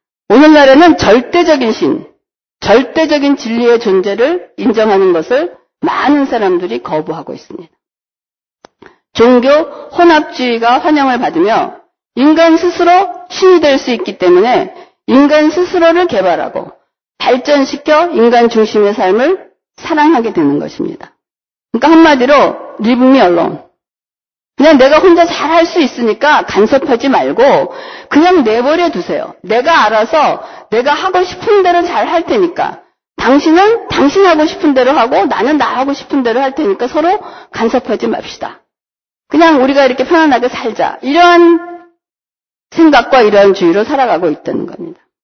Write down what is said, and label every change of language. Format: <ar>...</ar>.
<ko>오늘날에는 절대적인 신, 절대적인 진리의 존재를 인정하는 것을 많은 사람들이 거부하고 있습니다. 종교 혼합주의가 환영을 받으며 인간 스스로 신이 될 수 있기 때문에 인간 스스로를 개발하고 발전시켜 인간 중심의 삶을 사랑하게 되는 것입니다. 그러니까 한마디로</ko> <en>Leave me alone.</en> <ko>그냥 내가 혼자 잘할 수 있으니까 간섭하지 말고 그냥 내버려 두세요. 내가 알아서 내가 하고 싶은 대로 잘할 테니까 당신은 당신 하고 싶은 대로 하고 나는 나 하고 싶은 대로 할 테니까 서로 간섭하지 맙시다. 그냥 우리가 이렇게 편안하게 살자. 이러한 생각과 이러한 주의로 살아가고 있다는 겁니다.</ko>